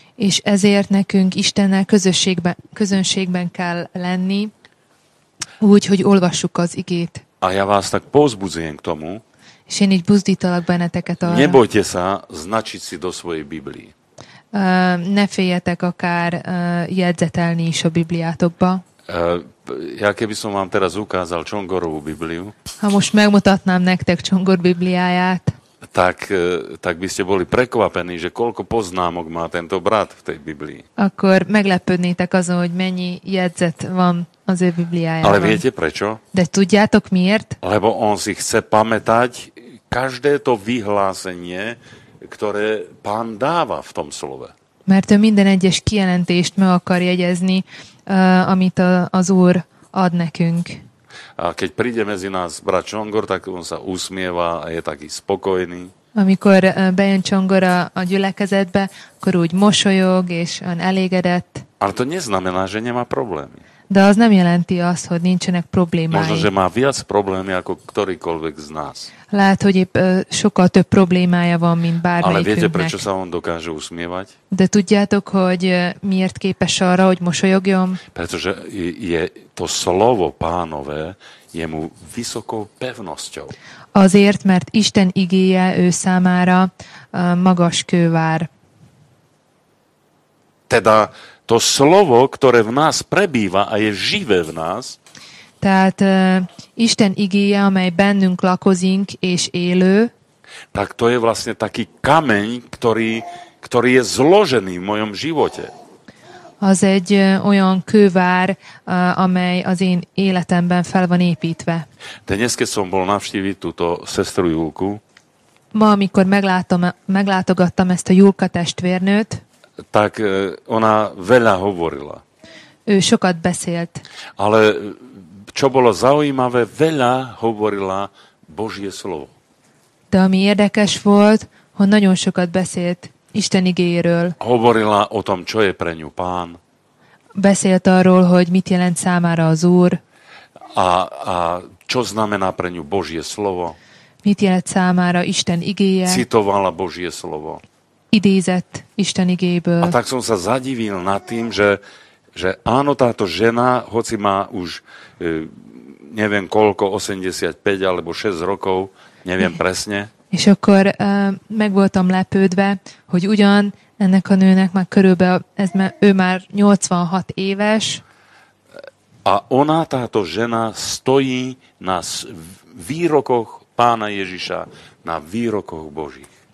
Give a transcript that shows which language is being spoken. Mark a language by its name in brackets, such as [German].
[Hungarian] És ezért nekünk Istennel közönségben kell lenni, úgy, hogy olvassuk az igét. [Slovak] A ja vás tak pozbudzujem k tomu, [Hungarian] és én így buzdítalak benneteket arra. [Slovak] Nebojte sa značiť si do svojej Biblii. [Hungarian] Ne féljetek akár jegyzetelni is a Bibliátokba. [Slovak] Ja keby som vám teraz ukázal Csongorovú Bibliu. [Hungarian] Ha most megmutatnám nektek Csongor Bibliáját, [Slovak] tak by ste boli prekvapení, že koľko poznámok má tento brat v tej Biblii. [Hungarian] Akkor meglepődnétek azon, hogy mennyi jegyzet van az ő Bibliájában. [Slovak] Ale viete prečo? [Hungarian] De tudjátok miért? [Slovak] Lebo on si chce pamätať každé to vyhlásenie, ktoré pán dáva v tom slove. [Hungarian] Mert ő minden egyes kijelentést meg akar jegyezni, amit az Úr ad nekünk. [Slovak] A keď príde medzi nás brat Csongor, tak on sa usmieva a je taký spokojný. [Hungarian] Amikor bejön Csongor a gyülekezetbe, akkor úgy mosolyog, és on elégedett. [Slovak] Ale to neznamená, že nemá problémy. [Hungarian] De az nem jelenti azt, hogy nincsenek problémái. [Slovak] Možno, že má viac problémy, ako ktorýkoľvek z nás. [Hungarian] Lehet, hogy épp sokkal több problémája van, mint bármelyikünknek. [Slovak] Ale viete, prečo sa on dokáže usmievať? [Hungarian] De tudjátok, hogy miért képes arra, hogy mosolyogjon? [Slovak] Pretože je to slovo pánové, je mu vysokou pevnosťou. [Hungarian] Azért, mert Isten igéje ő számára magas kővár. [Slovak] Teda to slovo, ktoré v nás prebýva a je živé v nás, [Hungarian] tehát Isten igéje, amely bennünk lakozik és élő, [Slovak] tak to je vlastne taký kameň, ktorý je zložený v mojom živote. [Hungarian] Az egy olyan kővár, amely az én életemben fel van építve. [Slovak] Dnes, keď som bol navštíviť túto sestru Julku, [Hungarian] ma, amikor meglátogattam ezt a Julka testvérnőt, [Slovak] tak ona veľa hovorila. [Hungarian] Ő sokat beszélt. [Slovak] Ale čo bolo zaujímavé, veľa hovorila Božie slovo. [Hungarian] De ami érdekes volt, hogy nagyon sokat beszélt Isten igéről. [Slovak] Hovorila o tom, čo je pre ňu pán. [Hungarian] Beszélt arról, hogy mit jelent számára az Úr. [Slovak] A čo znamená pre ňu Božie slovo. [Hungarian] Mit jelent számára Isten igéje. [Slovak] Citovala Božie slovo. [Hungarian] idézet Isten igéből. [Slovak] A tak som sa zadivil nad tým, že áno, táto žena, hoci má už neviem koľko, 85 alebo 6 rokov, neviem presne. [Hungarian] És akkor meg voltam lepődve, hogy ugyan ennek a nőnek már körülbelül, ő már 86 éves. [Slovak] A ona, táto žena, stojí na výrokoch Pána Ježiša, na výrokoch Božích.